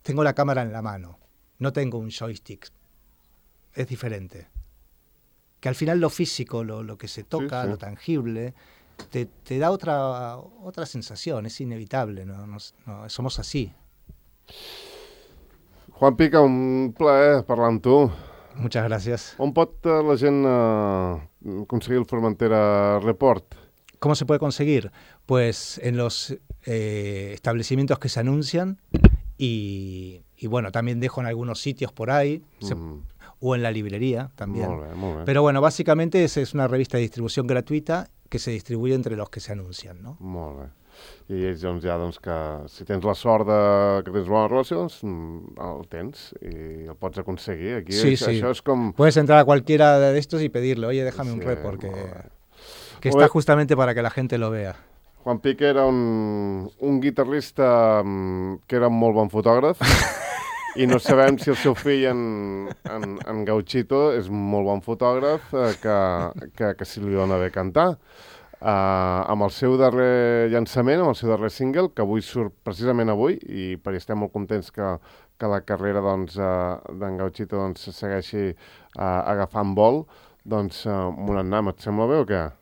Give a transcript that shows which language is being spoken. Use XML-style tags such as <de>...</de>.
<es>Tengo la cámara en la mano, no tengo un joystick. Es diferente. Que al final lo físico, lo que se toca, sí, sí. Lo tangible, te da otra sensación, es inevitable, ¿no? No, somos así.</es> <ca>Juan Pica, un plaer parlar amb tu.</ca> <es>Muchas gracias.</es> <ca>¿On pot la gent conseguir el Formentera Report?</ca> <es>¿Cómo se puede conseguir? Pues en los establecimientos que se anuncian y bueno, también dejo en algunos sitios por ahí, o en la librería también. Muy bien, muy bien. Pero bueno, básicamente es una revista de distribución gratuita que se distribuye entre los que se anuncian, ¿no? Muy bien.</es> <ca>I ells, doncs, ja, doncs, que si tens la sort de que tens bones relacions, el tens i el pots aconseguir. Aquí, sí, això, sí. Això és com...</ca> <es>Puedes entrar a cualquiera de estos y pedirle, oye, déjame un report, que... Que está justamente para que la gente lo vea.</es> <ca>Juan Pica era un guitarrista que era un molt bon fotògraf i no sabem si el seu fill en Gauchito és un molt bon fotògraf que si li dona bé cantar. Amb el seu darrer llançament, amb el seu darrer single, que avui surt precisament avui, i per estem molt contents que la carrera d'en Gauchito doncs, segueixi agafant vol, doncs Monatnam, et sembla bé o què?</ca>